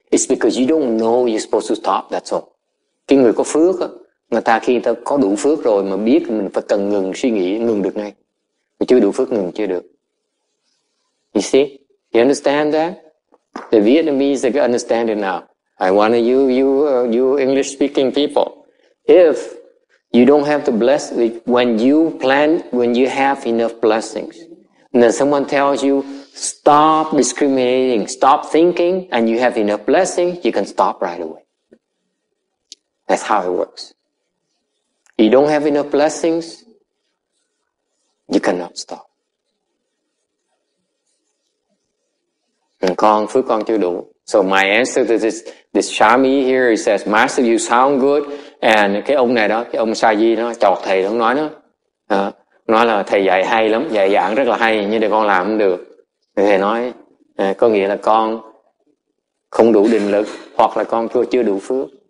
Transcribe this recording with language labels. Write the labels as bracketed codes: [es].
[en] It's because you don't know you're supposed to stop, that's all. [vi] Cái người có phước, người ta khi ta có đủ phước rồi mà biết mình phải cần ngừng suy nghĩ, ngừng được ngay. Mà chưa đủ phước ngừng chưa được. [en] You see? You understand that? The Vietnamese, they understand it now. I want you English speaking people. If you don't have to bless, when you plan, when you have enough blessings, and then someone tells you, stop discriminating, stop thinking, and you have enough blessings, you can stop right away. That's how it works. You don't have enough blessings, you cannot stop. [vi] Con, phước con chưa đủ. [en] So my answer to this Shami here, he says, Master, you sound good. [vi] And cái ông này đó, cái ông Sa-di đó, chọc thầy đó, nói đó. Nói là thầy dạy hay lắm, dạy giảng rất là hay, nhưng để con làm không được. Thầy nói, có nghĩa là con không đủ định lực, hoặc là con chưa đủ phước.